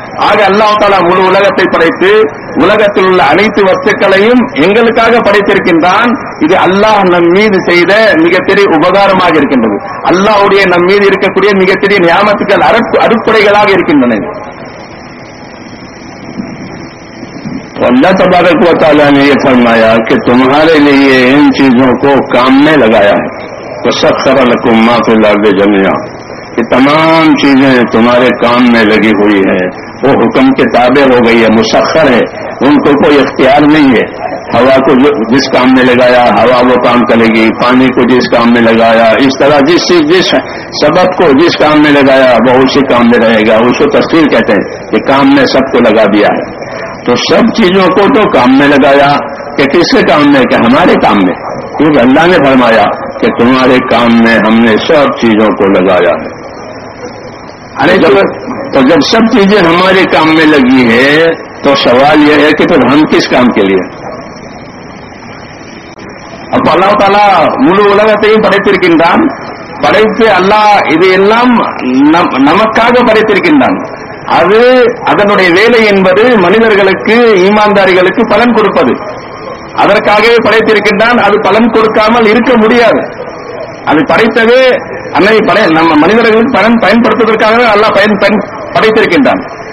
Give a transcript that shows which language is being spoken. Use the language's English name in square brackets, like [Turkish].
[Tamil] ஆக அல்லாஹ் தஆலா முழு உலகத்தை படைத்து உலகத்தில் உள்ள அனைத்து வஸ்துக்களையும் எங்களுக்காக படைத்திருக்கின்றான். இது அல்லாஹ் நம் மீது செய்த மிகப்பெரிய உபகாரமாக இருக்கின்றது. அல்லாஹ்வுடைய நம் மீது இருக்கக்கூடிய மிகப்பெரிய நியாமத்துக்கள் அடிப்படைகளாக இருக்கின்றன. [Urdu] اللہ تبارک و تعالیٰ نے یہ فرمایا کہ تمہارے لیے ان چیزوں کو کام میں لگایا ہے. [Arabic] وسخر لکم ما فی الارض جمیعا، [Urdu] کہ تمام چیزیں تمہارے کام میں لگی ہوئی ہیں، وہ حکم کے تابع ہو گئی ہے، مسخر ہے، ان کو کوئی اختیار نہیں ہے. ہوا کو جس کام میں لگایا ہوا وہ کام کرے گی، پانی کو جس کام میں لگایا، اس طرح جس سبب کو جس کام میں لگایا وہ اسی کام میں رہے گا. اس کو تصویر کہتے ہیں کہ کام میں سب کو لگا دیا ہے. تو سب چیزوں کو تو کام میں لگایا، کہ کس کے کام میں؟ کہ ہمارے کام میں، کیونکہ اللہ نے فرمایا کہ تمہارے کام میں ہم نے سب چیزوں کو لگایا ہے. ارے تو جب سب چیزیں ہمارے کام میں لگی ہے تو سوال یہ ہے کہ پھر ہم کس کام کے لیے؟ اب اللہ تعالیٰ ملو الگ تھی پڑھے پھر کن دان [Tamil] படைத்து அல்லாஹ் இது எல்லாம் நமக்காக படைத்திருக்கின்றான். அது அதனுடைய வேலை என்பது மனிதர்களுக்கு ஈமான்தாரிகளுக்கு பலன் கொடுப்பது. அதற்காகவே படைத்திருக்கின்றான். அது பலன் கொடுக்காமல் இருக்க முடியாது. அது படைத்ததே அன்னை நம்ம மனிதர்களுக்கு பலன் பயன்படுத்துவதற்காகவே அல்லாஹ் படைத்திருக்கின்றான்.